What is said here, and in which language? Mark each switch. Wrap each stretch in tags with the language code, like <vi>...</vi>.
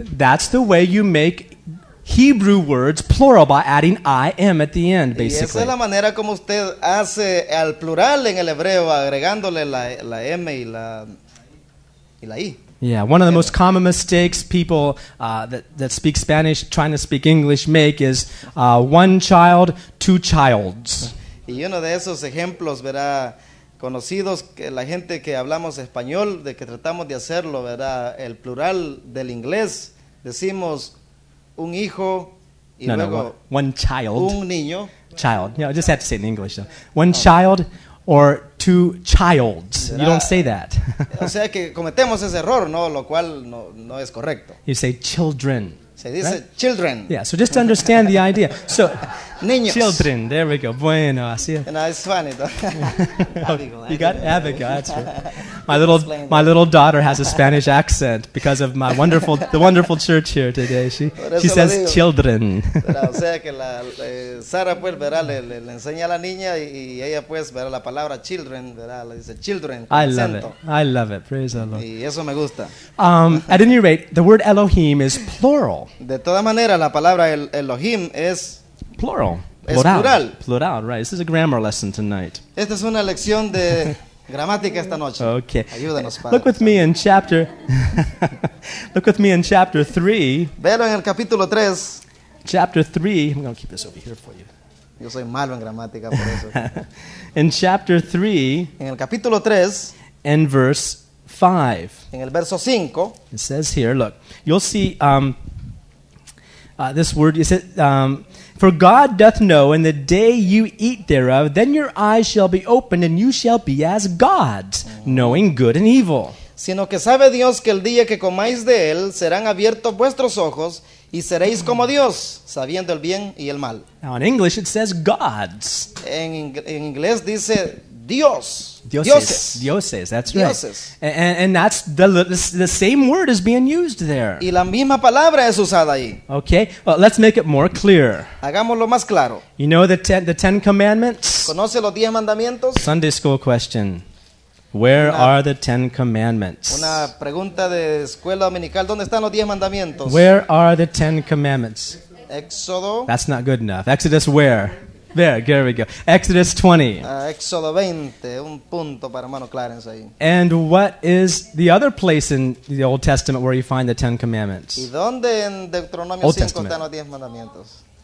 <en>That's the way you make Hebrew words plural by adding im at the end, basically.</en> <es>Y esa es la manera como usted hace al plural en el hebreo agregándole la m y la i.</es> <en>Yeah, one of the most common mistakes people that speak Spanish trying to speak English make is one child, two childs.</en> <es>Y uno de esos ejemplos, verá, conocidos que la gente que hablamos español, de que tratamos de hacerlo, verá, el plural del inglés, decimos un hijo y no, luego</es> <en>one child.</en> <es>Un niño.</es> <en>Child. Yeah, I just have to say it in English, though. One child. Or two childs. You don't say that.</en> <es>O sea que cometemos ese error, ¿no? Lo cual no es correcto.</es> <en>You say children.</en> <es>Se dice children.</es> <en>Yeah, so just to understand the idea. So,</en> <es>niños.</es> <en>Children, there we go.</en> <es>Bueno, así es.</es> <en>No, it's funny, though. You got Abigail, that's right. My little daughter has a Spanish accent because of my wonderful, the wonderful church here today. She says children. O sea que la Sara, pues, verá, le enseña a la niña y ella, pues, verá la palabra children, verá, le dice children. I love it. Praise the Lord.</en> <es>Y eso me gusta.</es> <en>At any rate, the word Elohim is plural.</en> <es>De toda manera, la palabra Elohim es plural. Es plural.</es> <en>Plural, right. This is a grammar lesson tonight.</en> <es>Esta es una lección de gramática esta noche.</es> <en>Okay.</en> <es>Ayúdanos, Padre.</es> <en>Look with me in chapter Look with me in chapter 3.</en> <es>Velo en el capítulo 3.</es> <en>Chapter 3. I'm going to keep this over here for you.</en> <es>Yo soy malo en gramática por eso.</es> <en>In chapter 3.</en> <es>En el capítulo 3.</es> <en>In verse 5.</en> <es>En el verso 5.</es> <en>It says here, look. You'll see this word, is it for God doth know in the day you eat thereof, then your eyes shall be opened and you shall be as gods, knowing good and evil.</en> <es>Sino que sabe Dios que el día que comáis de él serán abiertos vuestros ojos y seréis como Dios, sabiendo el bien y el mal.</es> <en>Now in English it says gods.</en> <es>En inglés dice Dios.</es> <en>Dioses, that's right.</en> <es>Dioses.</es> <en>And that's the same word is being used there.</en> <es>Y la misma palabra es usada ahí.</es> <en>Okay, well, let's make it more clear.</en> <es>Hagámoslo más claro.</es> <en>You know the Ten Commandments?</en> <es>¿Conoce los diez mandamientos?</es> <en>Sunday school question. Where are the Ten Commandments?</en> <es>Una pregunta de escuela dominical. ¿Dónde están los diez mandamientos?</es> <en>Where are the Ten Commandments?</en> <es>Éxodo.</es> <en>That's not good enough. Exodus where? There we go. Exodus 20.</en> <es>Éxodo 20, un punto para hermano Clarence ahí.</es> <en>And what is the other place in the Old Testament where you find the Ten Commandments?</en> <es>¿Y dónde en Deuteronomio 5 están los diez mandamientos?</es>